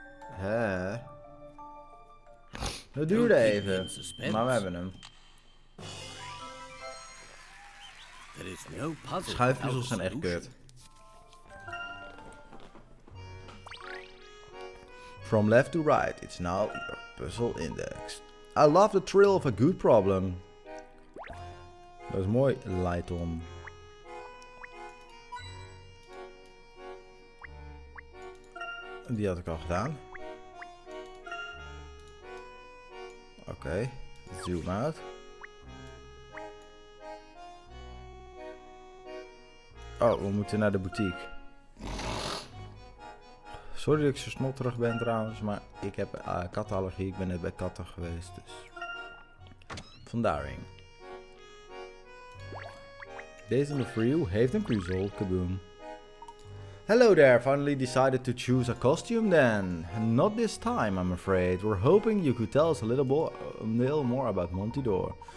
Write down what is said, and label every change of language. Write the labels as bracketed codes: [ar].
[nl] Hè? Het duurde even. Maar we hebben hem. Schuifpuzzels zijn echt kut. [en] From left to right, it's now your puzzle index. I love the thrill of a good problem. [nl] Dat is mooi, Layton. Die had ik al gedaan. Oké, zoom out. Oh, we moeten naar de boutique. Sorry dat ik zo snotterig ben trouwens, maar ik heb kattenallergie. Ik ben net bij katten geweest, dus. Vandaarheen. Deze in the free heeft een puzzel. Kaboom. [en] Hello there, finally decided to choose a costume then. Not this time, I'm afraid. We're hoping you could tell us a little more about Montidor.